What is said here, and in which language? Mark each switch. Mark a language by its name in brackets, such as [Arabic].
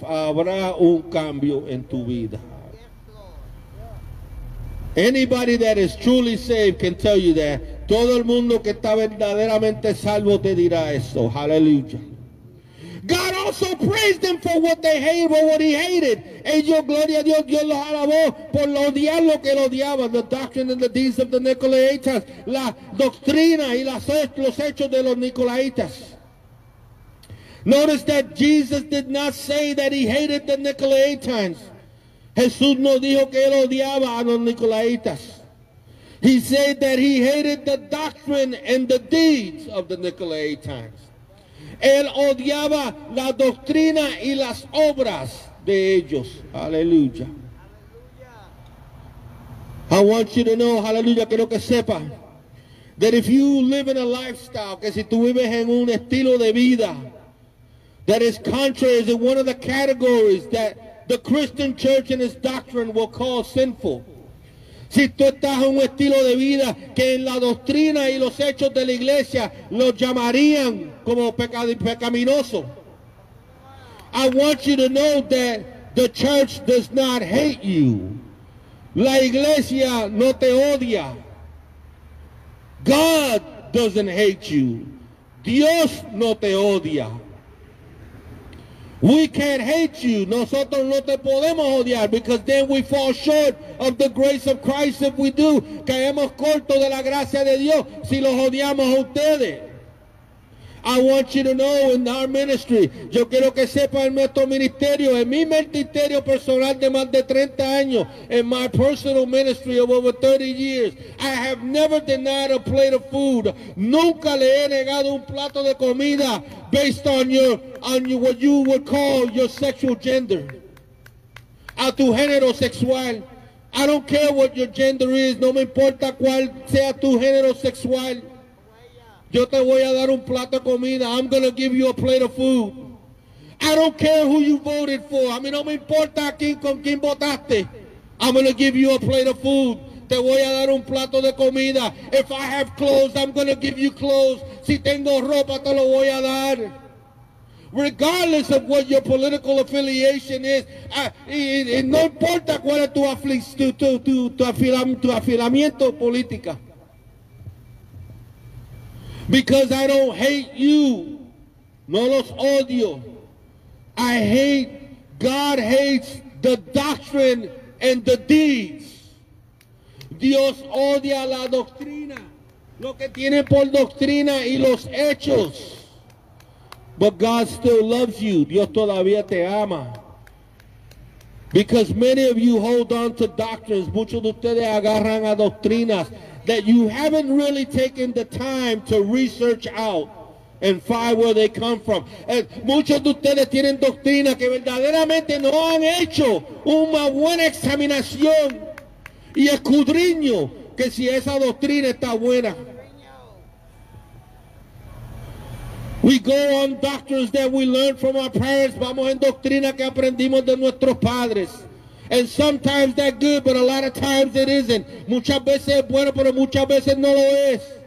[Spanish] Habrá un cambio en tu vida. [English] Anybody that is truly saved can tell you that. [Spanish] Todo el mundo que está verdaderamente salvo te dirá esto. [English] Hallelujah. God also praised them for what they hated, for what he hated. [Spanish] Ellos, gloria a Dios, Dios los alabó por lo odiar lo que lo odiaba. [English] The doctrine and the deeds of the Nicolaitas. [Spanish] La doctrina y los hechos de los Nicolaitas. [English] Notice that Jesus did not say that he hated the Nicolaitans. [Spanish] Jesús no dijo que él odiaba a los Nicolaitas. [English] He said that he hated the doctrine and the deeds of the Nicolaitans. [Spanish] Él odiaba la doctrina y las obras de ellos. Aleluya. [English] I want you to know, aleluya, [Spanish] quiero que sepa, [English] that if you live in a lifestyle, [Spanish] que si tú vives en un estilo de vida, [English] that is contrary, is in one of the categories that the Christian church and its doctrine will call sinful. [Spanish] Si tú estás en un estilo de vida que en la doctrina y los hechos de la iglesia lo llamarían como pecaminoso. [English] I want you to know that the church does not hate you. [Spanish] La iglesia no te odia. [English] God doesn't hate you. [Spanish] Dios no te odia. [English] We can't hate you. [Spanish] Nosotros no te podemos odiar, [English] because then we fall short of the grace of Christ if we do. [Spanish] Caemos corto de la gracia de Dios si los odiamos a ustedes. [English] I want you to know in our ministry, [Spanish] yo quiero que sepa en nuestro ministerio, en mi ministerio personal de más de 30 años, [English] in my personal ministry of over 30 years, I have never denied a plate of food. [Spanish] Nunca le he negado un plato de comida [English] based on your what you would call your sexual gender. [Spanish] A tu género sexual. [English] I don't care what your gender is. [Spanish] No me importa cuál sea tu género sexual. Yo te voy a dar un plato de comida. [English] I'm going to give you a plate of food. I don't care who you voted for. [Spanish] A mí no me importa con quién votaste. [English] I'm going to give you a plate of food. [Spanish] Te voy a dar un plato de comida. [English] If I have clothes, I'm going to give you clothes. [Spanish] Si tengo ropa, te lo voy a dar. [English] Regardless of what your political affiliation is, [Spanish] no importa cuál es tu afilamiento política. [English] Because I don't hate you. [Spanish] No los odio. [English] I hate, God hates the doctrine and the deeds. [Spanish] Dios odia la doctrina, lo que tiene por doctrina y los hechos. [English] But God still loves you. [Spanish] Dios todavía te ama. [English] Because many of you hold on to doctrines. [Spanish] Muchos de ustedes agarran a doctrinas [English] that you haven't really taken the time to research out and find where they come from. [Spanish] Muchos de ustedes tienen doctrinas que verdaderamente no han hecho una buena examinación y escudriño que si esa doctrina está buena. [English] We go on doctrines that we learned from our parents. [Spanish] Vamos en doctrina que aprendimos de nuestros padres. [English] And sometimes that's good, but a lot of times it isn't. [Spanish] Muchas veces es bueno, pero muchas veces no lo es.